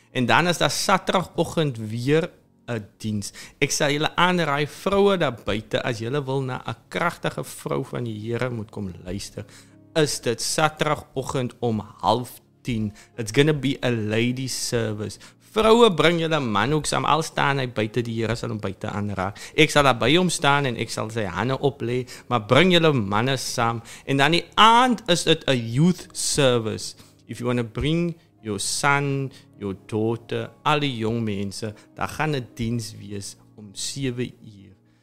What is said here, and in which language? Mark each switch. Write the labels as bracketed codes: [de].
[af] En dan is daar saterdagoggend weer een dienst. Ek sal julle aanraai vroue daar buiten, as julle wil na 'n kragtige vrou van die Here moet kom luister, is dit saterdagoggend om 9:30. [en] It's gonna be a lady service. [af] Vroue bring julle man ook saam, al staan hy buiten, die Here sal hom buiten aanraak. Ek sal daar by hom staan en ek sal sy hande oplee, maar bring julle manne saam. En dan die aand is dit [en] a youth service. If you want to bring your son, [af] jou dote, alle jong mense, daar gaan een diens wees om 7 uur.